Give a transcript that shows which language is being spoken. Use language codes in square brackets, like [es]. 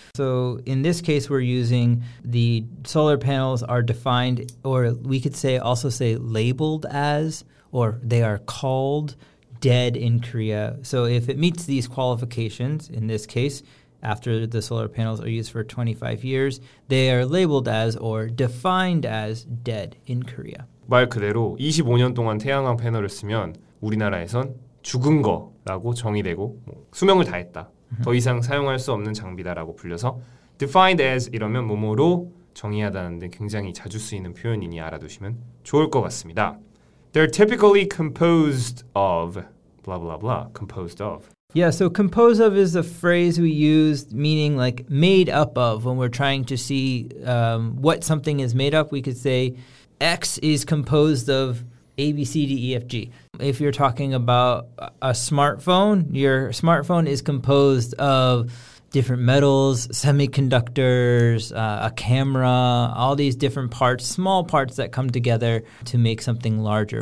[en] So in this case, we're using the solar panels are defined, or we could say also say labeled as, or they are called dead in Korea. So if it meets these qualifications, in this case, after the solar panels are used for 25 years, they are labeled as or defined as dead in Korea. [ko] 말 그대로 25년 동안 태양광 패널을 쓰면 우리나라에선 죽은 거라고 정의되고 뭐 수명을 다했다. 더 이상 사용할 수 없는 장비다라고 불려서 defined as 이러면 뭐뭐로 정의하다는데 굉장히 자주 쓰이는 표현이니 알아두시면 좋을 것 같습니다. [en] They're typically composed of blah, blah, blah, composed of. Yeah, so composed of is a phrase we use meaning like made up of when we're trying to see what something is made up. We could say X is composed of A, B, C, D, E, F, G. If you're talking about a smartphone, your smartphone is composed of different metals, semiconductors, a camera, all these different parts, small parts that come together to make something larger.